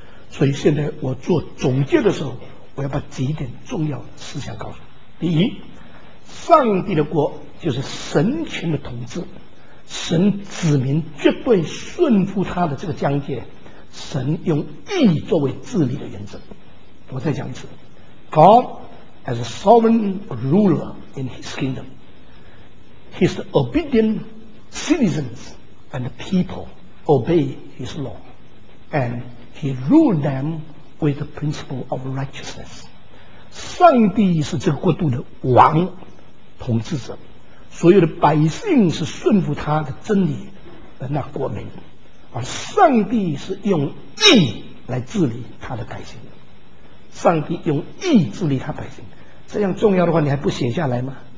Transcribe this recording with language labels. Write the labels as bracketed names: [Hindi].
[Chinese] 所以现在我做总结的时候，我要把几点重要的思想告诉你。第一，上帝的国就是神权的统治，神子民绝对顺服他的这个疆界，神用义作为治理的原则。我再讲一次， [English] God as a sovereign ruler in his kingdom， his obedient citizens and the people obey his law andHe ruled them with the principle of righteousness。 [Chinese] 上帝是这个国度的王统治者，所有的百姓是顺服他的真理的那国民，而上帝是用义来治理他的百姓。上帝用义治理他百姓，这样重要的话你还不写下来吗？